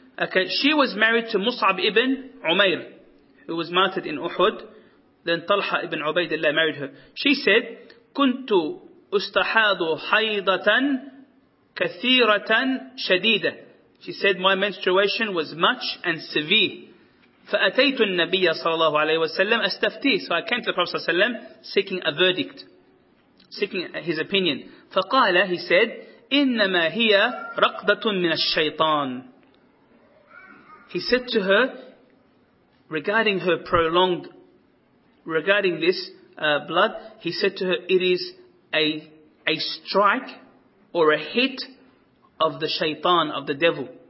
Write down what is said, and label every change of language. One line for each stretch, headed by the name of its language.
English: Okay, she was married to Mus'ab ibn Umair, who was martyred in Uhud. Then Talha ibn Ubaidillah married her. She said,
Arabic: "Kuntu ustahadu haydatan kathiratan shadida."
English: She said, "My menstruation was much and severe."
Arabic: فأتيت النبي صلى الله عليه وسلم أستفتي.
English: So I came to the Prophet ﷺ seeking a verdict, seeking his opinion.
Arabic: فقال,
English: he said,
Arabic: إنما هي رقدة من الشيطان.
English: He said to her, regarding her prolonged, regarding this blood, he said to her, it is a strike or a hit of the shaitan, of the devil.